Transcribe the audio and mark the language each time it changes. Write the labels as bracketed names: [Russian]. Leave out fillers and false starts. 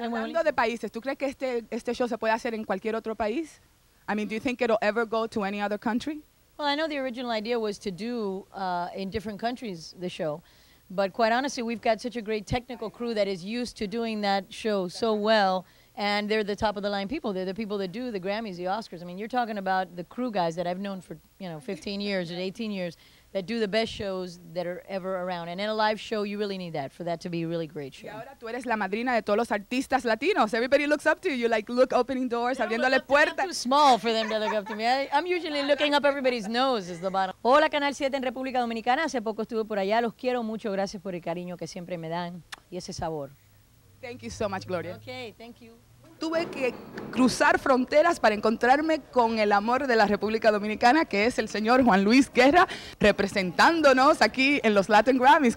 [Spanish] Hablando de países, ¿tú crees que este show se puede hacer en cualquier otro país? [English] I mean, do you think it'll ever go to any other country? Well, I know the original idea was to do in different countries the show, but quite honestly, we've got such a great technical crew that is used to doing that show so well, and they're the top of the line people. They're the people that do the Grammys, the Oscars. I mean, you're talking about the crew guys that I've known for, you know, 15 years or 18 years. that do the best shows that are ever around. And in a live show, you really need that for that to be a really great show. [Spanish] Y ahora tú eres la madrina de todos los artistas latinos. [English] Everybody looks up to you. You like look opening doors, yeah, [Spanish] abriéndole puertas. [English] I'm too small for them to look up to me. I'm usually looking up everybody's nose is the bottom. [Spanish] Hola, Canal 7 en República Dominicana. Hace poco estuve por allá. Los quiero mucho. Gracias por el cariño que siempre me dan y ese sabor. [English] Thank you so much, Gloria. Okay, thank you. [Spanish] Tuve que cruzar fronteras para encontrarme con el amor de la República Dominicana, que es el señor Juan Luis Guerra, representándonos aquí en los Latin Grammys.